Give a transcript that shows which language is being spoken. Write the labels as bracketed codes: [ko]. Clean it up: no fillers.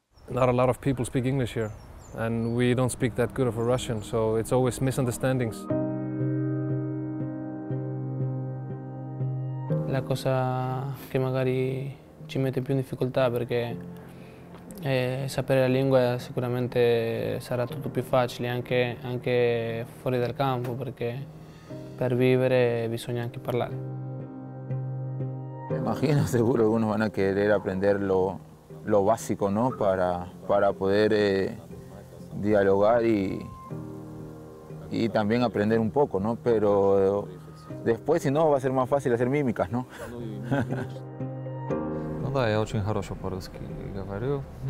[en] Not a lot of people speak English here, and we don't speak that good of a Russian, so it's always misunderstandings. [it] La cosa che magari ci mette più in difficoltà perché sapere la lingua sicuramente sarà tutto più facile anche fuori dal campo perché per vivere bisogna anche parlare. [es] Me imagino seguro [it] alcuni vanno a [es] querer aprenderlo. Lo básico, ¿no? Para poder dialogar y también aprender un poco, ¿no? Pero después, si no, va a ser más fácil hacer mímicas, ¿no? [ru] No, да, я очень хорошо по-русски говорю.